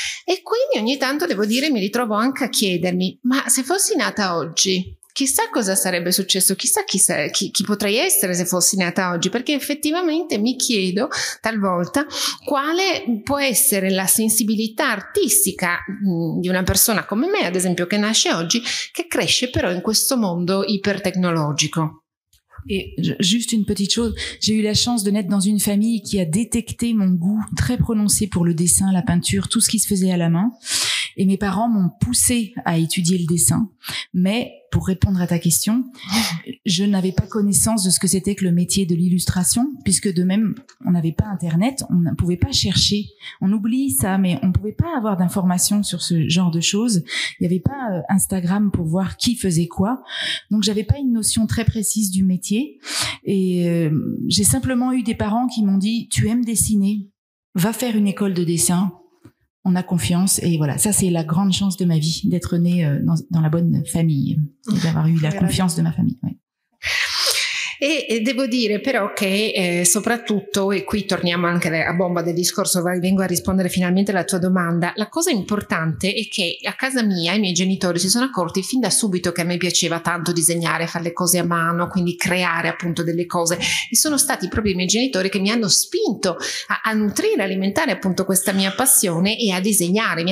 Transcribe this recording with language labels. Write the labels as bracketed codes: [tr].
[it] E quindi ogni tanto, devo dire, mi ritrovo anche a chiedermi: ma se fossi nata oggi, chissà cosa sarebbe successo, chissà chi potrei essere se fossi nata oggi, perché effettivamente mi chiedo talvolta quale può essere la sensibilità artistica di una persona come me, ad esempio, che nasce oggi, che cresce però in questo mondo ipertecnologico. [fr] Et juste une petite chose, j'ai eu la chance de naître dans une famille qui a détecté mon goût très prononcé pour le dessin, la peinture, tout ce qui se faisait à la main. Et mes parents m'ont poussé à étudier le dessin. Mais pour répondre à ta question, je n'avais pas connaissance de ce que c'était que le métier de l'illustration, puisque de même, on n'avait pas Internet, on ne pouvait pas chercher. On oublie ça, mais on ne pouvait pas avoir d'informations sur ce genre de choses. Il n'y avait pas Instagram pour voir qui faisait quoi. Donc, j'avais pas une notion très précise du métier. Et j'ai simplement eu des parents qui m'ont dit « Tu aimes dessiner, va faire une école de dessin ». On a confiance et voilà, ça c'est la grande chance de ma vie d'être née dans la bonne famille et d'avoir eu la confiance de ma famille. Ouais. [it] E devo dire però che soprattutto, e qui torniamo anche a bomba del discorso, vengo a rispondere finalmente alla tua domanda, la cosa importante è che a casa mia i miei genitori si sono accorti fin da subito che a me piaceva tanto disegnare, fare le cose a mano, quindi creare appunto delle cose, e sono stati proprio i miei genitori che mi hanno spinto a nutrire, alimentare appunto questa mia passione e a disegnare.